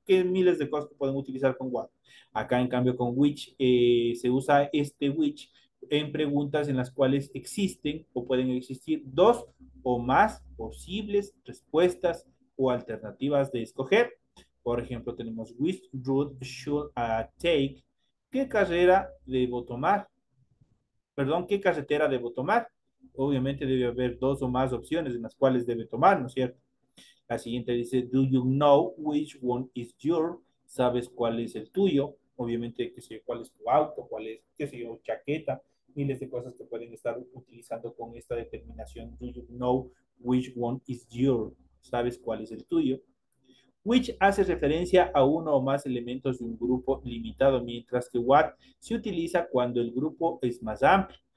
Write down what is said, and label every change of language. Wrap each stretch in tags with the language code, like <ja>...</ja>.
<es>¿Qué miles de cosas que pueden utilizar con what? Acá, en cambio, con which se usa este which en preguntas en las cuales existen o pueden existir dos o más posibles respuestas o alternativas de escoger. Por ejemplo, tenemos</es> <en>which route should I take?</en> <es>¿Qué carrera debo tomar? Perdón, ¿qué carretera debo tomar? Obviamente debe haber dos o más opciones en las cuales debe tomar, ¿no es cierto? La siguiente dice,</es> <en>do you know which one is your?</en> <es>¿Sabes cuál es el tuyo? Obviamente, qué sé yo, cuál es tu auto, cuál es, qué sé yo, chaqueta, miles de cosas que pueden estar utilizando con esta determinación.</es> <en>Do you know which one is your?</en> <es>¿Sabes cuál es el tuyo? Which hace referencia a uno o más elementos de un grupo limitado, mientras que what se utiliza cuando el grupo es más amplio.</es>